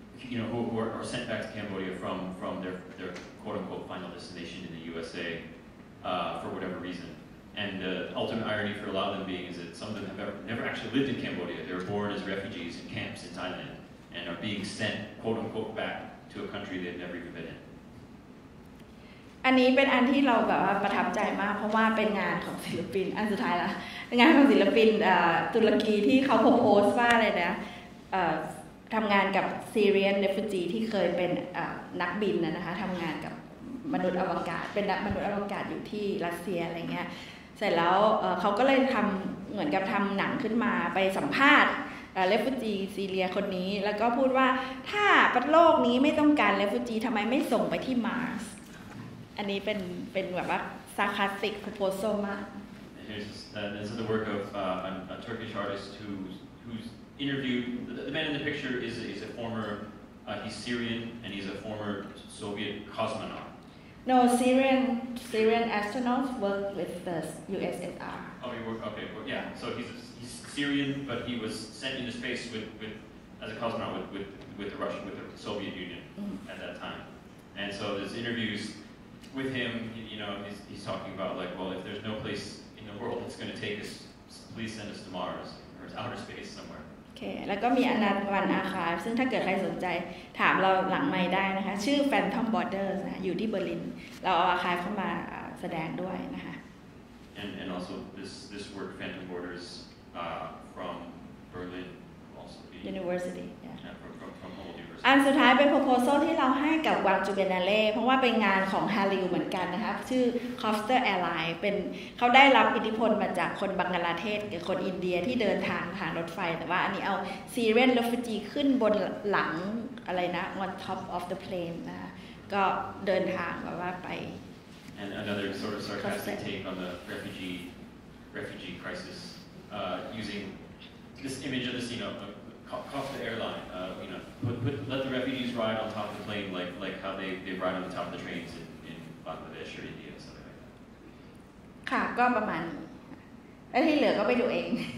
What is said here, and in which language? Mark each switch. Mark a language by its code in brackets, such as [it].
[en] you know, who are sent back to Cambodia from their quote-unquote final destination in the USA for whatever reason. And the ultimate irony for a lot of them being is that some of them have never actually lived in Cambodia. They were born as refugees in camps in Thailand and are being sent, quote-unquote, back to a country they've never even been in. [th] อันนี้เป็นอันที่เราแบบว่าประทับใจมากเพราะว่าเป็นงานของศิลปินอันสุดท้ายละงานของศิลปินตุรกีที่เขาโพสต์ว่าอะไรนะ ทำงานกับซีเรียนเรฟูจีที่เคยเป็นนักบินนะคะทำงานกับมนุษย์อวกาศเป็นนักมนุษย์อวกาศอยู่ที่รัสเซียอะไรเงี้ยเสร็จแล้วเขาก็เลยทำเหมือนกับทำหนังขึ้นมาไปสัมภาษณ์เรฟูจีซีเรียคนนี้แล้วก็พูดว่าถ้าโลกนี้ไม่ต้องการเรฟูจีทำไมไม่ส่งไปที่มาร์สอันนี้เป็นแบบว่าซาคาสติกโพโพโซมา [en] This is the work of a Turkish artist who's interviewed the man in the picture is a former he's Syrian and he's a former Soviet cosmonaut. No, Syrian astronaut worked with the USSR. Oh, he worked. Okay, well, yeah. So he's Syrian, but he was sent into space with as a cosmonaut with the Russian with the Soviet Union at that time, and so there's interviews. With him, you know, he's talking about like, well, if there's no place in the world that's going to take us, please send us to Mars or to outer space somewhere. [th] Okay, แล้วก็มีอนันต์วรรณอาคาซึ่งถ้าเกิดใครสนใจถามเราหลังไมค์ได้นะคะชื่อ Phantom Borders นะอยู่ที่เบอร์ลินเราเอาอาคาเข้ามาแสดงด้วยนะคะ [en] And also this work Phantom Borders from Berlin also be University yeah. from Hull University [th] อันสุดท้ายเป็น proposal ที่เราให้กับ Gwangju Biennale เพราะว่าเป็นงานของฮาลิวเหมือนกันนะคะชื่อ Coaster Airline เป็นเขาได้รับอิทธิพลมาจากคนบังกลาเทศกับคนอินเดียที่เดินทางผ่านรถไฟแต่ว่าอันนี้เอา [en] Syrian refugee [th] ขึ้นบนหลังอะไรนะ [en] on top of the plane [th] นะก็เดินทางแบบว่าไป [en] And another sort of sarcastic take on the refugee crisis using this image of the scene ofCough the airline, you know, let the refugees ride on top of the plane like how they ride on the top of the trains in Bangladesh or India or something like that. [th] ค่ะก็ประมาณนี้ที่เหลือก็ไปดูเอง